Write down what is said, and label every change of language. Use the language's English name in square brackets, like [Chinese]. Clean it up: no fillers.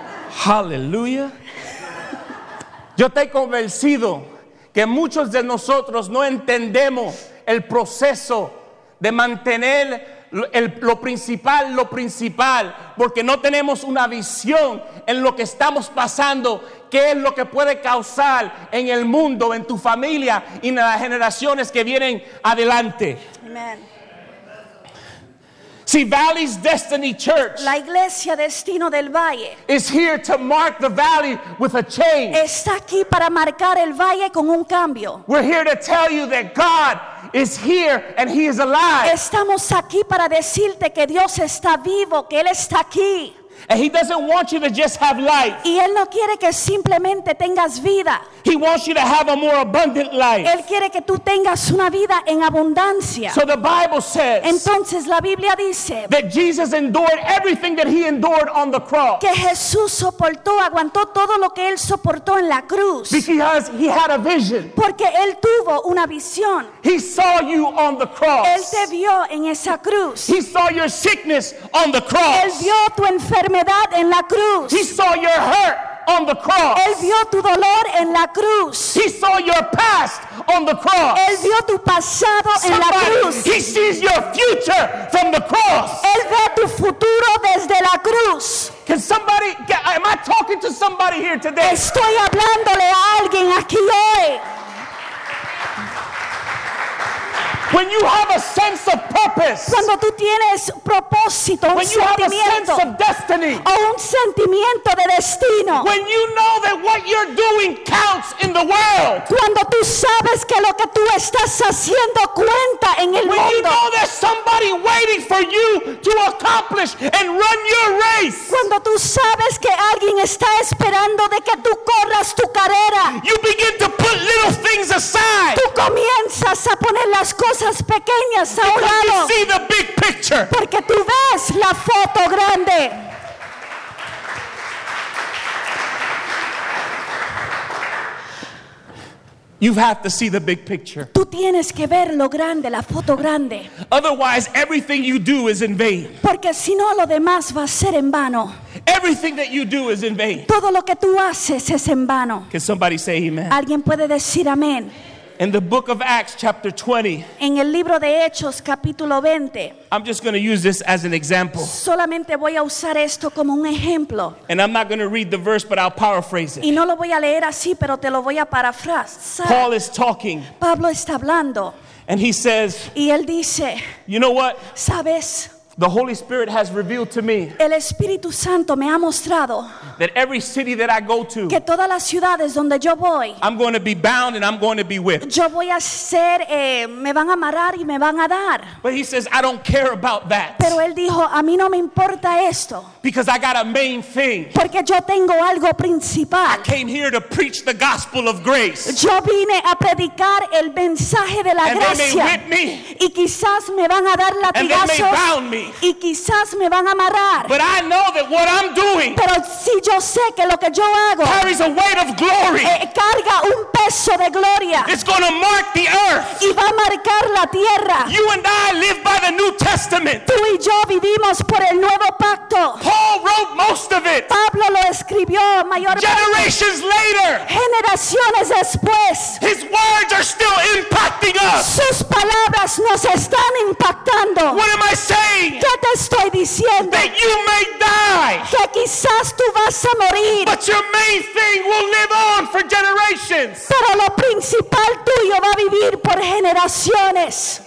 [Spanish] Hallelujah. Yo estoy convencido que muchos de nosotros no entendemos el proceso de mantener lo principal, porque no tenemos una visión en lo que estamos pasando, qué es lo que puede causar en el mundo, en tu familia y en las generaciones que vienen adelante. Amen. [English] See, Valley's Destiny Church, [Spanish] la iglesia Destino del Valle, [English] is here to mark the valley with a change. [Spanish] Está aquí para marcar el valle con un cambio. [English] We're here to tell you that God is here and He is alive. [Spanish] Estamos aquí para decirte que Dios está vivo, que Él está aquí. [English] And He doesn't want you to just have life. [Spanish] Y Él no quiere que simplemente tengas vida. [English] He wants you to have a more abundant life. [Spanish] Él quiere que tú tengas una vida en abundancia. [English] So the Bible says, [Spanish] entonces la Biblia dice, [English] that Jesus endured everything that He endured on the cross. [Spanish] Que Jesús soportó, aguantó todo lo que Él soportó en la cruz. [English] Because He had a vision. [Spanish] Porque Él tuvo una visión. [English] He saw you on the cross. [Spanish] Él te vio en esa cruz. [English] He saw your sickness on the cross. [Spanish] Él vio tu enfermedad en la cruz. [English] He saw your hurt on the cross. [Spanish] Él vio tu dolor en la cruz. [English] He saw your past on the cross. [Spanish] Él vio tu pasado en la cruz. [English] He sees your future from the cross. [Spanish] Él ve tu futuro desde la cruz. [English] Can somebody, am I talking to somebody here today? [Spanish] Estoy hablándole a alguien aquí hoy. [English] When you have a sense of purpose, [Spanish] cuando tú tienes propósito, [English] when you have a sense of destiny, [Spanish] o un sentimiento de destino, [English] when you know that what you're doing counts in the world, [Spanish] cuando tú sabes que lo que tú estás haciendo cuenta en el [English] when [Spanish] mundo, [English] when you know there's somebody waiting for you to accomplish and run your race, [Spanish] cuando tú sabes que alguien está esperando de que tú corras tu carrera, [English] you begin to put little things aside, [Spanish] tú comienzas a poner las cosas pequeñas a un lado. [English] Because you see the big picture. [Spanish] Porque tú ves la foto grande. [English] You have to see the big picture. [Spanish] Tú tienes que ver lo grande, la foto grande. [English] Otherwise, everything you do is in vain. [Spanish] Porque si no, lo demás va a ser en vano. [English] Everything that you do is in vain. [Spanish] Todo lo que tú haces es en vano. [English] Can somebody say amen? [Spanish] ¿Alguien puede decir amén? [English] In the book of Acts, chapter 20. [Spanish] En el libro de Hechos, capítulo 20. [English] I'm just going to use this as an example. [Spanish] Solamente voy a usar esto como un ejemplo. [English] And I'm not going to read the verse, but I'll paraphrase it. [Spanish] Y no lo voy a leer así, pero te lo voy a parafrasar. [English] Paul is talking. [Spanish] Pablo está hablando. [English] And he says. [Spanish] Y él dice. [English] You know what? [Spanish] Sabes. [English] The Holy Spirit has revealed to me. [Spanish] El Espíritu Santo me ha mostrado. [English] That every city that I go to, [Spanish] que todas las ciudades donde yo voy, [English] I'm going to be bound and I'm going to be whipped. [Spanish] Yo voy a ser, me van a amarrar y me van a dar. [English] But he says, I don't care about that. [Spanish] Pero él dijo, a mí no me importa esto. [English] Because I got a main thing. [Spanish] Porque yo tengo algo principal. [English] I came here to preach the gospel of grace. [Spanish] Yo vine a predicar el mensaje de la [English] and [Spanish] gracia. [English] They may whip me. [Spanish] Y quizás me van a dar latigazos. [English] And they may bound me. [Spanish] Y quizás me van a amarrar. [English] But I know that what I'm doing, [Spanish] pero si yo sé que lo que yo hago, [English] carries a weight of glory. [Spanish] Carga un peso de gloria. [English] It's going to mark the earth. [Spanish] Y va a marcar la tierra. [English] You and I live by the New Testament. [Spanish] Tú y yo vivimos por el Nuevo Pacto. [English] Paul wrote most of it. [Spanish] Pablo lo escribió mayor [English] generations parte. Later. [Spanish] Generaciones después. [English] His words are still impacting us. [Spanish] Sus palabras nos están impactando. [English] What am I saying? [Spanish] ¿Qué te estoy diciendo? [English] That you may die. [Spanish] Que quizás tú vas a morir. [English] But your main thing will live on for generations. [Spanish] Pero lo principal tuyo va a vivir por generaciones.